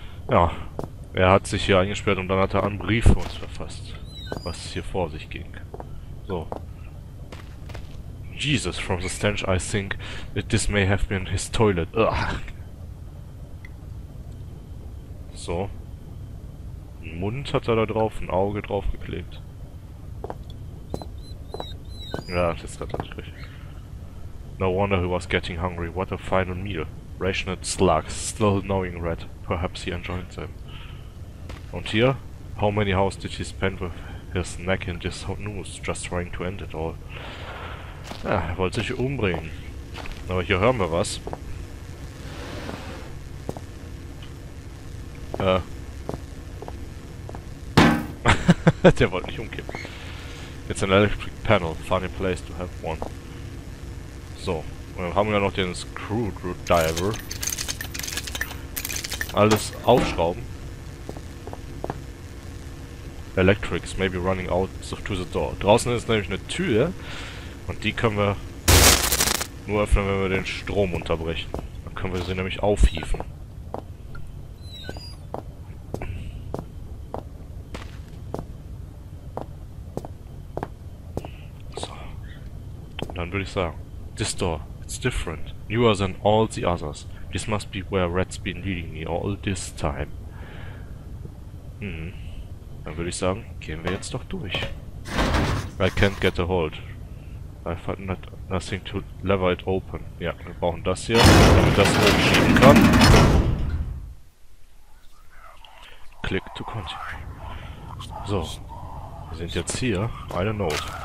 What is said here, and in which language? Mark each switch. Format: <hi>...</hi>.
<de>Ja, er hat sich hier eingesperrt und dann hat er einen Brief für uns verfasst, was hier vor sich ging. So.</de> <en>Jesus, from the stench, I think that this may have been his toilet. Ugh. So,</en> <de>Einen Mund hat er da drauf, ein Auge drauf geklebt. Ja, das ist natürlich richtig.</de> <en>No wonder he was getting hungry. What a fine meal. Rationed slugs, still knowing red. Perhaps he enjoyed them.</en> <de>Und hier?</de> <en>How many hours did he spend with his neck in this noose, just trying to end it all?</en> <de>Ja, er wollte sich umbringen. Aber hier hören wir was. Der wollte nicht umkippen.</de> <en>It's an electric panel. Funny place to have one.</en> <de>So, dann haben wir noch den Screwdriver. Alles aufschrauben.</de> <en>Electrics may be running out to the door.</en> <de>Draußen ist nämlich eine Tür. Und die können wir nur öffnen, wenn wir den Strom unterbrechen. Dann können wir sie nämlich aufhieven. Dann würde ich sagen,</de> <en>this door, it's different, newer than all the others. This must be where Red's been leading me all this time.</en> <de>Dann würde ich sagen, gehen wir jetzt doch durch.</de> <en>I can't get a hold. I find nothing to lever it open.</en> <de>Ja, wir brauchen das hier, damit das hier schieben kann.</de> <en>Click to continue.</en> <de>So, wir sind jetzt hier. Eine Note.</de>